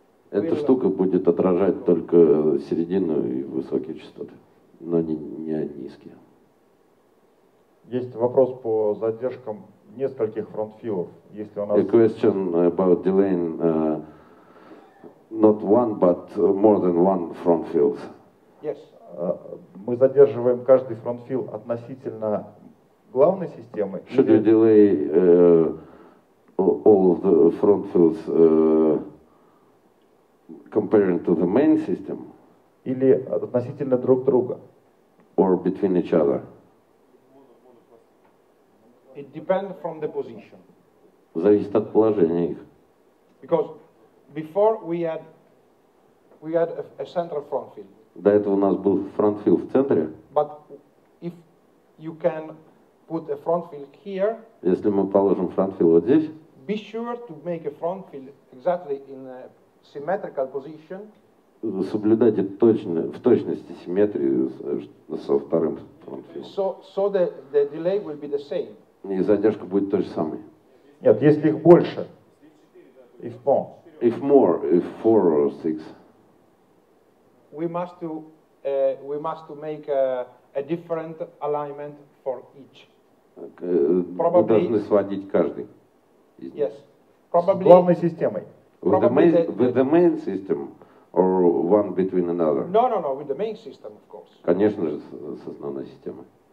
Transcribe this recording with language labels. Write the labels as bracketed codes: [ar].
[ru] Эта штука будет отражать только середину и высокие частоты, но не низкие. Есть вопрос по задержкам нескольких фронтфилов. Если у нас... [en] A question about delaying not one, but more than one front field. Yes. [ru] Мы задерживаем каждый фронтфил относительно главной системы. [en] Should we delay all of the front fields comparing to the main system? [ru] Или относительно друг друга? [en] Or between each other? It depends from the position. [ru] Зависит от положения их. [en] Because before we had a central front field. [ru] До этого у нас был front field в центре. [en] But if you can put a front field here. [ru] Если мы положим front field вот здесь. [en] Be sure to make a front field exactly in a symmetrical position. [ru] Соблюдайте в точности симметрию со вторым front field. [en] So the delay will be the same. [ru] И задержка будет той же самой. Нет, если их больше. [en] If four or six. We must to make a different alignment for each. Probably, [ru] мы должны сводить каждый. [en] Yes. Probably, [ru] с главной системой. [en] With the main system or one between another? No, with the main system, of course. [ru] Конечно же, с основной системой.